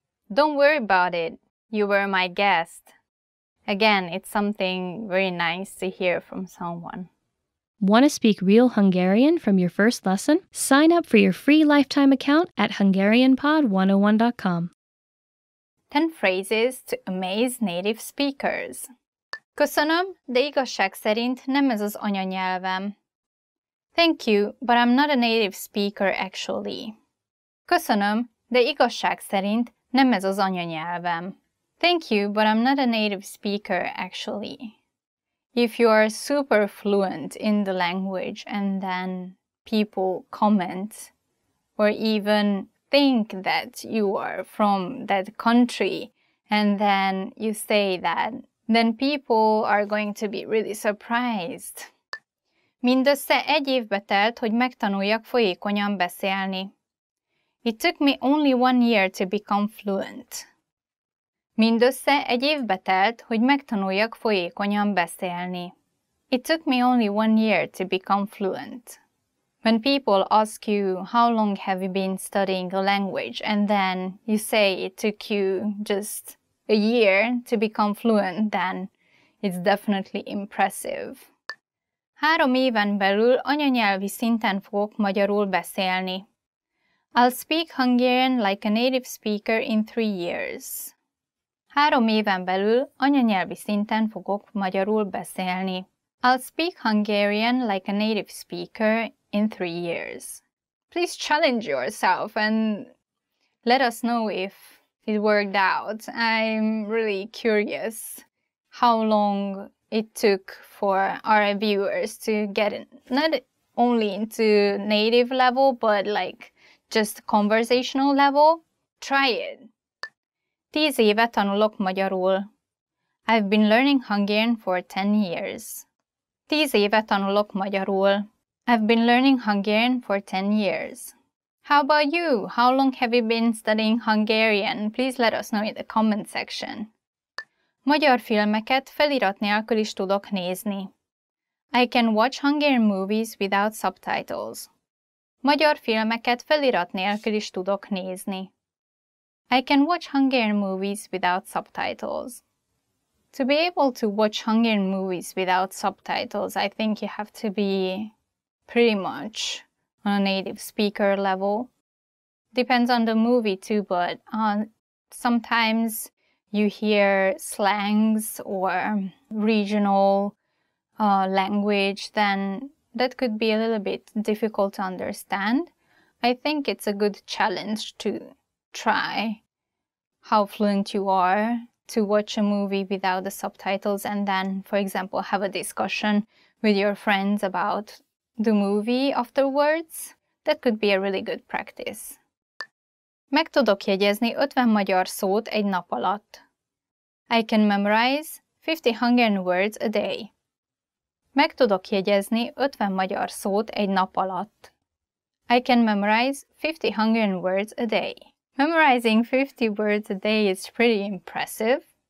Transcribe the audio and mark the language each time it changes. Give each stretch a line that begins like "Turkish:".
English: Don't worry about it. You were my guest. Again, it's something very nice to hear from someone. Want to speak real Hungarian from your first lesson? Sign up for your free lifetime account at HungarianPod101.com. 10 phrases to amaze native speakers.
Hungarian: köszönöm, de igazság szerint nem ez az anyanyelvem.
English: Thank you, but I'm not a native speaker actually.
Hungarian: köszönöm, de igazság szerint nem ez az anyanyelvem.
English: Thank you, but I'm not a native speaker actually. If you are super fluent in the language and then people comment or even think that you are from that country and then you say that, then people are going to be really surprised.
Hungarian: Mindössze egy évbe telt, hogy megtanuljak folyékonyan beszélni.
English: It took me only 1 year to become fluent.
Hungarian: Mindössze egy évbe telt, hogy megtanuljak folyékonyan beszélni.
English: It took me only 1 year to become fluent. When people ask you how long have you been studying a language and then you say it took you just a year to become fluent, then it's definitely impressive.
Hungarian: 3 éven belül anyanyelvi szinten fogok magyarul beszélni.
English: I'll speak Hungarian like a native speaker in 3 years.
Hungarian: 3 éven belül anyanyelvi szinten fogok magyarul beszélni.
English: I'll speak Hungarian like a native speaker in 3 years. Please challenge yourself and let us know if it worked out. I'm really curious how long it took for our viewers to get in, not only into native level, but like just conversational level. Try it.
Hungarian: 10 éve tanulok magyarul.
English: I've been learning Hungarian for 10 years.
Hungarian: 10 éve tanulok magyarul.
English: I've been learning Hungarian for 10 years. How about you? How long have you been studying Hungarian? Please let us know in the comment section.
Hungarian: Magyar filmeket felirat nélkül is tudok nézni.
English: I can watch Hungarian movies without subtitles.
Hungarian: Magyar filmeket felirat nélkül is tudok nézni.
English: I can watch Hungarian movies without subtitles. To be able to watch Hungarian movies without subtitles, I think you have to be pretty much on a native speaker level. Depends on the movie too, but sometimes you hear slangs or regional language, then that could be a little bit difficult to understand. I think it's a good challenge to try how fluent you are to watch a movie without the subtitles and then, for example, have a discussion with your friends about the movie afterwards. That could be a really good practice.
Hungarian: Meg tudok jegyezni 50 magyar szót egy nap alatt.
English: I can memorize 50 Hungarian words a day.
Hungarian: Meg tudok jegyezni 50 magyar szót egy nap alatt.
English: I can memorize 50 Hungarian words a day. Memorizing 50 words a day is pretty impressive.